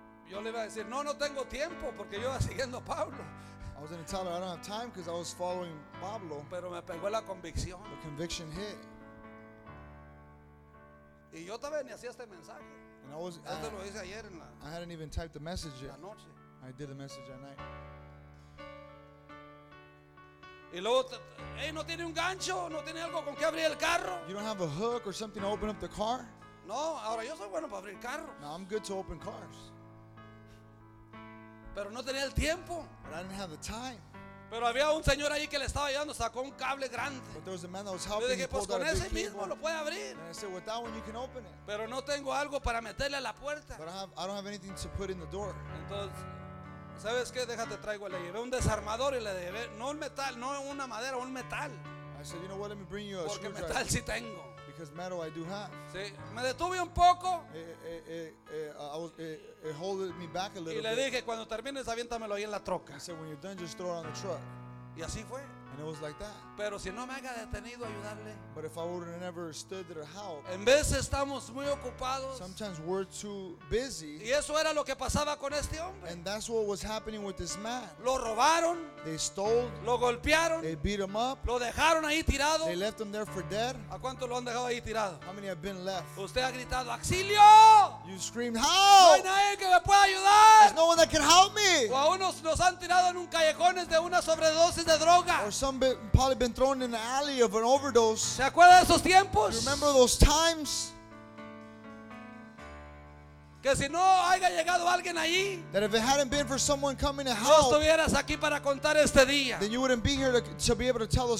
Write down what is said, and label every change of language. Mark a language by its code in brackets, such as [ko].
[es] Yo le iba a decir, no tengo tiempo porque yo iba siguiendo a Pablo. [en] I was going to tell her I don't have time because I was following Pablo. [es] Pero me pegó la convicción. [en] The conviction hit. [es] Y yo todavía ni hacía este mensaje. [en] And I was. [es] Esto lo hice ayer en la. [en] I hadn't even typed the message yet. [es] La noche. [en] I did the message at night. [es] Y luego, no tiene un gancho, no tiene algo con que abrir el carro. [en] You don't have a hook or something to open up the car. [es] No, ahora yo soy bueno para abrir carros. [en] No, I'm good to open cars. [es] Pero no tenía el tiempo. [en] But I didn't have the time. [es] Pero había un señor ahí que le estaba ayudando, sacó un cable grande. [en] But there was a man that was helping. [es] Yo dije, pues con ese mismo lo puede abrir. [en] And I said, with that one you can open it. [es] Pero no tengo algo para meterle a la puerta. [en] But I don't have anything to put in the door. [es] Entonces. ¿Sabes qué? Déjate, traigo, le llevé un desarmador y le llevé, no un metal, no una madera, un metal. [en] I said, you know what, let me bring you a [es] screwdriver. Porque metal sí tengo. [en] Because metal I do have. [es] Sí, me detuve un poco. [en] It held me back a little bit. [es] Y le dije, cuando termines, aviéntamelo ahí en la troca. [en] I said, when you're done, just throw it on the truck. [es] Y así fue. [en] And it was like that. [es] Pero si no me haya detenido a ayudarle. [en] But if I would have never stood there to help. [es] En vez estamos muy ocupados. [en] Sometimes we're too busy. [es] Y eso era lo que pasaba con este hombre. [en] And that's what was happening with this man. [es] Lo robaron. [en] They stole. [es] Lo golpearon. [en] They beat him up. [es] Lo dejaron ahí tirado. [en] They left him there for dead. [es] ¿A cuánto lo han dejado ahí tirado? [en] How many have been left? [es] Usted ha gritado auxilio. [en] You screamed help. [es] No hay nadie que me pueda ayudar. [en] There's no one that can help me. [es] O a unos nos han tirado en un callejón de una sobredosis de droga. [en] Some probably been thrown in the alley of an overdose. [es] ¿Se acuerda de esos tiempos? [en] You remember those times? [es] Que si no haya llegado alguien allí, [en] that if it hadn't been for someone coming to help, [es] no estuvieras aquí para contar este día. [en] Then you wouldn't be here to be able to tell the